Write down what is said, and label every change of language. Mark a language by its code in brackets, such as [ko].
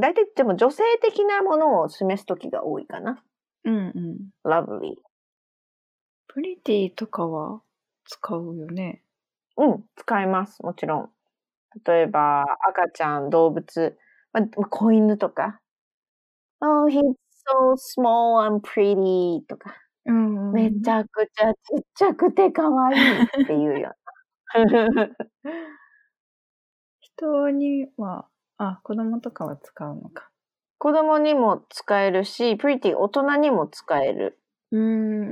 [ja] 大体でも女性的なものを示す時が多いかな。うんうん、ラブリー、プリティとかは使うよね。うん、使えます、もちろん。例えば、赤ちゃん、動物、まあ、子犬とか。 [en] Oh, he's so small and pretty [ja] とか。うん、めちゃくちゃちっちゃくてかわいいっていうような。人には、あ、子供とかは使うのか。子供にも使えるし、pretty 大人にも使える。うん、